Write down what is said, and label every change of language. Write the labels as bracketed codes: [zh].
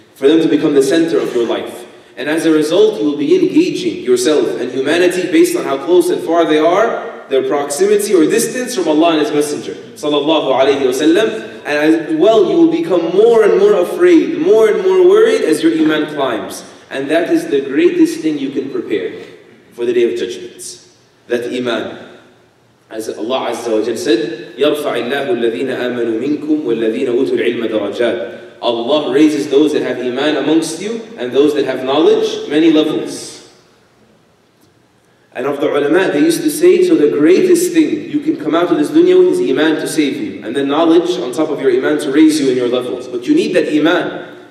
[en] For them to become the center of your life. And as a result, you will be engaging yourself and humanity based on how close and far they are, their proximity or distance from Allah and His Messenger, sallallahu alayhi wa sallam. And as well, you will become more and more afraid, more and more worried as your iman climbs. And that is the greatest thing you can prepare for the Day of Judgment. That iman. As Allah Azza wa Jal said, [ar] يَرْفَعِ اللَّهُ الَّذِينَ آمَنُوا مِنْكُمْ وَالَّذِينَ أُوتُوا الْعِلْمَ دَرَجَاتِ. [en] Allah raises those that have iman amongst you and those that have knowledge, many levels. And of the ulama, they used to say, so the greatest thing you can come out of this dunya with is iman to save you. And then knowledge on top of your iman to raise you in your levels. But you need that iman.